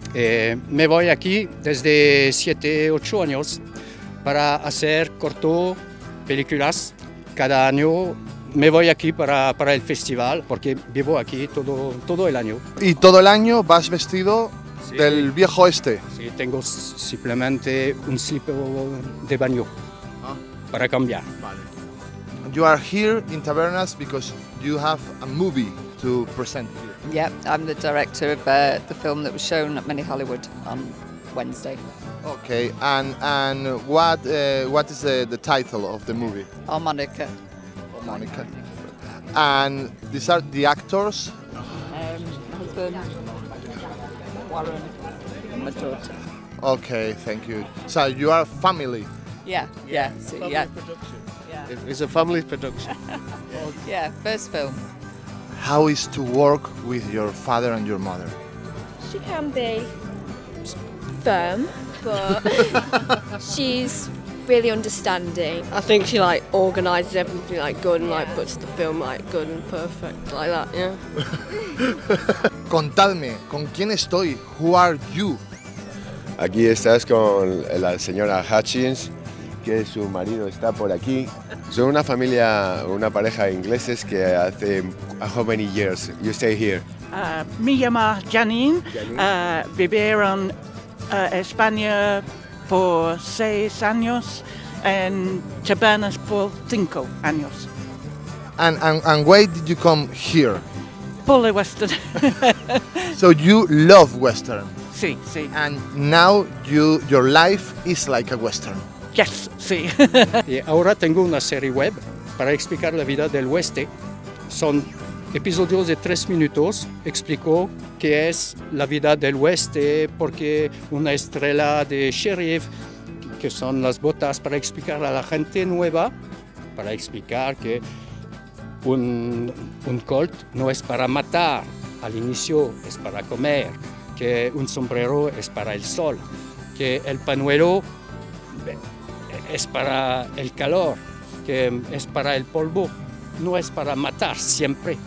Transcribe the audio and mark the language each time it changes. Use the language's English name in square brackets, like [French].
[Spanish] Me voy aquí desde 7-8 años para hacer cortopelículas cada año. Me voy aquí para el festival porque vivo aquí todo el año. ¿Y todo el año vas vestido sí, del viejo este? Sí, tengo simplemente un slip de baño para cambiar. Vale. [English] You are here in tabernas because you have a movie to present here. Yep, I'm the director of the film that was shown at Mini Hollywood on Wednesday. Okay, and what is the title of the movie? Harmonica. Harmonica. And these are the actors? Husband, Warren, and my daughter. Okay, thank you. So you are family? Yeah. It's a family production. Yeah, first film. How is to work with your father and your mother? She can be firm, but she's really understanding. I think she like organizes everything like good and like puts the film like good and perfect like that, yeah. [Spanish] Contadme, ¿con quién estoy? [English] Who are you? [Spanish] Aquí estás con la señora Hutchins, que su marido está por aquí. Son una familia, una pareja de ingleses que hace... [English] How many years you stay here? [Spanish] Me llamo Janine. Vivieron España por 6 años and Tabernas por 5 años. [English] And why did you come here? [Spanish] Por el Western. [English] So you love Western? [Spanish] Sí, sí. [English] And now your life is like a Western? Yes, sí. [Spanish] Y ahora tengo una serie web para explicar la vida del oeste. Son episodios de 3 minutos. Explico qué es la vida del oeste, por qué una estrella de sheriff, que son las botas para explicar a la gente nueva, para explicar que un colt no es para matar al inicio, es para comer, que un sombrero es para el sol, que el pañuelo es para el calor, que es para el polvo, no es para matar siempre.